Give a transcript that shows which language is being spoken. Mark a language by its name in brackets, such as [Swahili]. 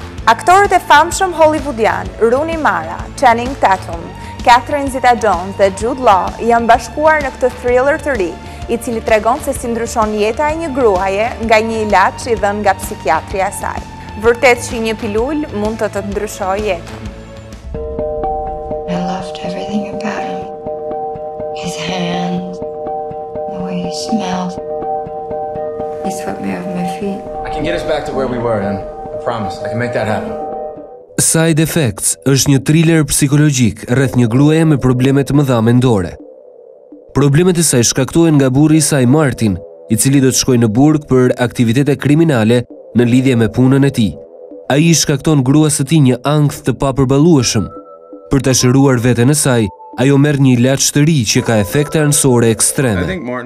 [Albanian] Aktorët e famshëm hollywoodian Rooney Mara, Channing Tatum, Catherine Zeta-Jones dhe Jude Law janë bashkuar në këtë thriller të ri, I cili tregon se si ndryshon jeta e një gruaje nga një ilaç I dhën nga psikiatria e saj. Vërtet që një pilul mund të të ndryshoj jetën. [English] I loved everything about him. His hands, the way he smelled. He swept me off my feet. I can get us back to where we were, and I promise, I can make that happen. [Albanian] Side Effects është një thriller psikologjik rreth një gruaje me probleme të mëdha mendore. Problemet e saj shkaktohen nga burri I saj Martin, I cili do të shkojë në burg për aktivitete kriminale në lidhje me punën e tij. Ai I shkakton gruas së tij një ankth të papërballueshëm. Për të shëruar veten e saj, ajo merr një ilaç të ri që ka efekte anësore ekstreme.